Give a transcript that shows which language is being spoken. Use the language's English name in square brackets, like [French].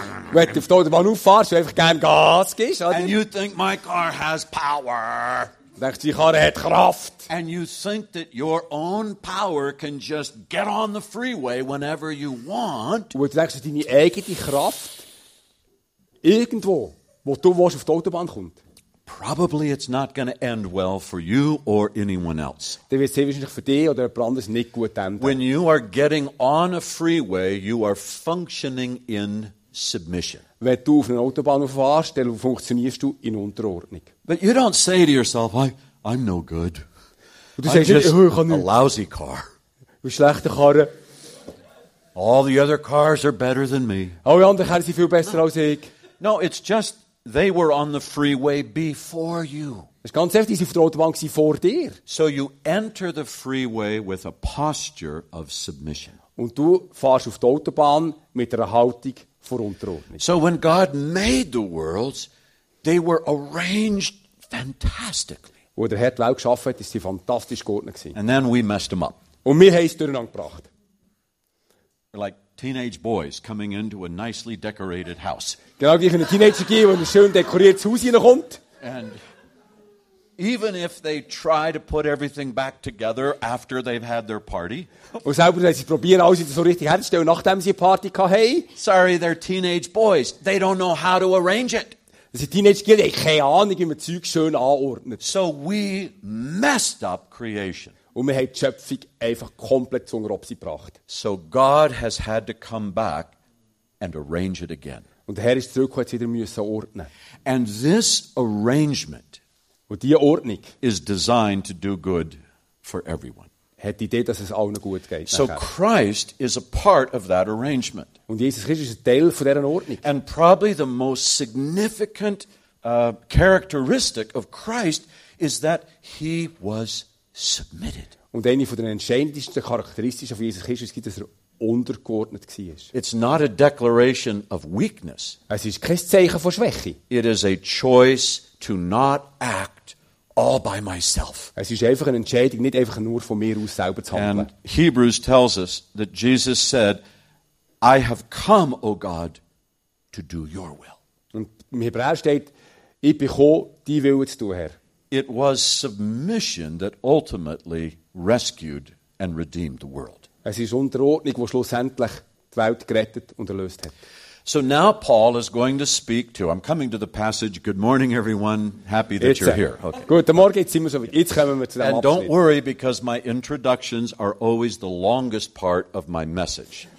[German] Wenn du auf der Autobahn auffährst, du einfach gerne Gas gibst. [English] And you think my car has power. [German] Denkst du, die Karre hat Kraft. [English] And you think that your own power can just get on the freeway whenever you want. [German] Und denkst du, deine eigene Kraft irgendwo, wo du willst, auf der Autobahn kommt. [English] Probably it's not going to end well for you or anyone else. [German] Dann wird es wahrscheinlich für dich oder jemand anderes nicht gut enden. [English] When you are getting on a freeway, you are functioning in submission. [German] Wenn du auf einer Autobahn fährst, dann funktionierst du in Unterordnung. [English] But you don't say to yourself, I'm no good. [German] Und du sagst, [English] I'm just [German] nicht [English] a lousy car. [German] Eine schlechte Karre. [English] All the other cars are better than me. [German] Alle anderen Karren sind viel besser als ich. [English] No, it's just, they were on the freeway before you. [German] Es ist ganz ehrlich, die sind auf der Autobahn gewesen vor dir. [English] So you enter the freeway with a posture of submission. [German] Und du fährst auf der Autobahn mit einer Haltung. [English] So when God made the worlds, they were arranged fantastically. [German] Wo der Herr die Welt geschaffen hat, ist sie fantastisch geordnet gewesen. [English] And then we messed them up. [German] Und wir haben es durcheinander gebracht. [English] Like teenage boys coming into a nicely decorated house. [German] Genau wie ein Teenager, der in ein schön dekoriertes Haus hineinkommt. [English] And Even if they try to put everything back together after they've had their party. [German] Und selber, wenn sie probieren, alles wieder so richtig herzustellen, nachdem sie eine Party gehabt haben. [English] Sorry, they're teenage boys. They don't know how to arrange it. [German] Das sind Teenager, die haben keine Ahnung, wie man Zeug schön anordnet. [English] So we messed up creation. [German] Und wir haben die Schöpfung einfach komplett zum Ropsi gebracht. [English] So God has had to come back and arrange it again. [German] Und der Herr ist zurückgekommen, wieder müssen ordnen. [English] And this arrangement [German] und diese Ordnung [English] is designed to do good for everyone. [German] Hat die Idee, dass es allen gut geht. [English] So Christ is a part of that arrangement. [German] Und Jesus Christus ist ein Teil von dieser Ordnung. [English] And probably the most significant characteristic of Christ is that he was submitted. [German] Und eine von den entscheidendsten Charakteristiken von Jesus Christus ist, dass er untergeordnet war. [English] It's not a declaration of weakness. [German] Es ist kein Zeichen von Schwäche. [English] It is a choice to not act all by myself. [German] Es ist einfach eine Entscheidung, nicht einfach nur von mir aus selber zu handeln. [English] And Hebrews tells us that Jesus said, I have come, O God, to do your will. [German] Und im Hebräer steht, ich bin gekommen, dein Wille zu tun, Herr. [English] It was submission that ultimately rescued and redeemed the world. [German] Es ist Unterordnung, die schlussendlich die Welt gerettet und erlöst hat. [English] So now Paul is going to speak to, I'm coming to the passage, good morning everyone, happy that [German] jetzt, [English] you're here. Okay. [German] Guten Morgen, jetzt sind wir so weit. Jetzt kommen wir zu dem Abschnitt. [English] And don't worry, because my introductions are always the longest part of my message.